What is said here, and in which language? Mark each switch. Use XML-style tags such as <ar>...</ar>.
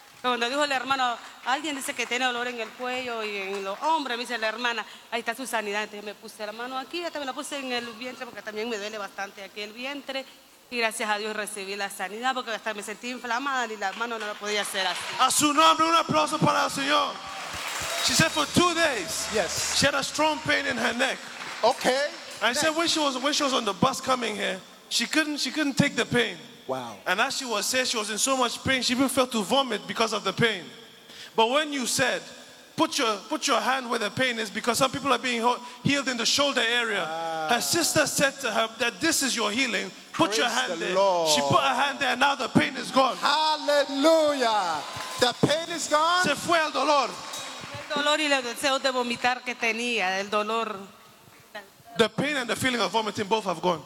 <es>Cuando dijo el hermano, alguien dice que tiene dolor en el cuello y en los hombros, me dice la hermana, ahí está su sanidad. Entonces yo me puse la mano aquí, hasta me la puse en el vientre porque también me duele bastante aquí el vientre. Y gracias a Dios recibí la sanidad porque hasta me sentí inflamada y la mano no lo podía hacer así. A su nombre, un aplauso para el Señor.</es> <en>She said for 2 days. Yes. She had a strong pain in her neck. Okay. And she said when she was on the bus coming here, she couldn't take the pain. Wow. And as she was saying, she was in so much pain, she even felt to vomit because of the pain. But when you said, put your hand where the pain is, because some people are being healed in the shoulder area. Her sister said to her that this is your healing. Put your hand there. Lord. She put her hand there, and now the pain is gone. Hallelujah. The pain is gone.</en> <es>Se fue el dolor. El dolor y el deseo de vomitar que tenía, el dolor.</es> <en>The pain and the feeling of vomiting both have gone.</en>